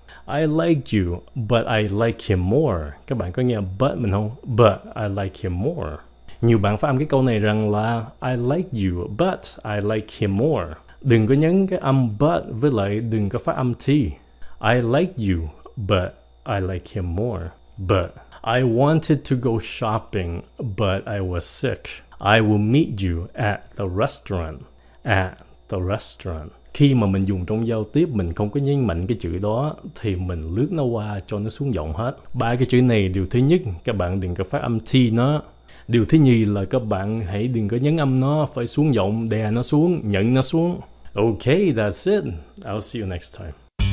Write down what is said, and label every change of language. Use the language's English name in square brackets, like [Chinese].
[English] I like you, but I like him more. [Vietnamese] Các bạn có nghe but mình không? [English] But I like him more. [Vietnamese] Nhiều bạn phát âm cái câu này rằng là [English] I like you, but I like him more. [Vietnamese] Đừng có nhấn cái âm but với lại đừng có phát âm T. [English] I like you, but I like him more. But I wanted to go shopping, but I was sick. I will meet you at the restaurant. At the restaurant. [Vietnamese] Khi mà mình dùng trong giao tiếp, mình không có nhấn mạnh cái chữ đó, thì mình lướt nó qua cho nó xuống giọng hết. Ba cái chữ này, điều thứ nhất, các bạn đừng có phát âm T nó. Điều thứ nhì là các bạn hãy đừng có nhấn âm nó, phải xuống giọng, đè nó xuống, nhấn nó xuống. [English] Ok, that's it. I'll see you next time.